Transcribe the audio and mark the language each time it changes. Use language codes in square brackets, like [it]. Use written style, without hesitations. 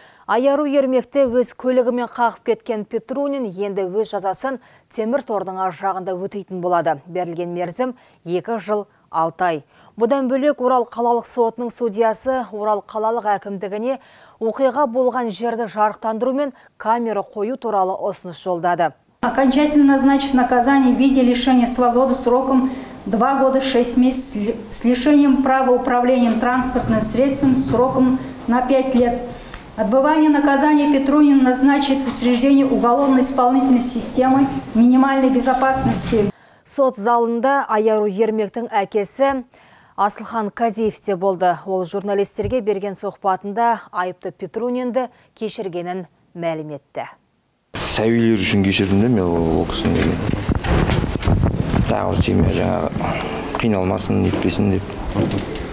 [kk] Аяру ермекті өз көлігімен қағып кеткен Петронин енді өз жазасын темір тордың аржағында өтейтін болады. Берілген мерзім 2 жыл 6 ай. Бұдан бөлек Орал қалалық сотының судьясы Орал қалалық әкімдігіне оқиға болған жерді жарықтандыру мен камера қою туралы ұсыныс жолдады. [ru] Окончательно назначить наказание в виде лишения свободы сроком 2 года 6 месяцев с лишением права управления транспортным средством сроком на 5 лет. Отбывание наказания Петронин назначит в учреждении уголовно-исполнительной системы минимальной безопасности. [kk] Сот залында аяру ермектің әкесі Асылхан Казиевте болды. Ол журналистерге берген сұхбатында айыпты Петронинді кешіргенін мәлім етті. Сәуелер үшін кешірдім де мен ол кісін деген. Тағыр теме жаңағы қиналмасын, нетпесін деп.